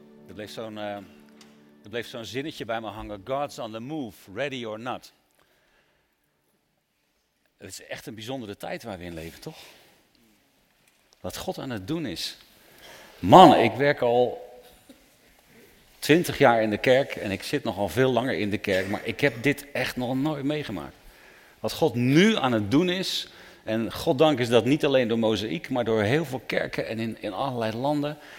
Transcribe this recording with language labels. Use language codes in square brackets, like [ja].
[nl] Er bleef zo'n zinnetje bij me hangen. [en] God's on the move, ready or not. [nl] Het is echt een bijzondere tijd waar we in leven, toch? Wat God aan het doen is. Man, ik werk al 20 jaar in de kerk en ik zit nogal veel langer in de kerk, maar ik heb dit echt nog nooit meegemaakt. Wat God nu aan het doen is, en Goddank is dat niet alleen door Mozaïek, maar door heel veel kerken en in allerlei landen.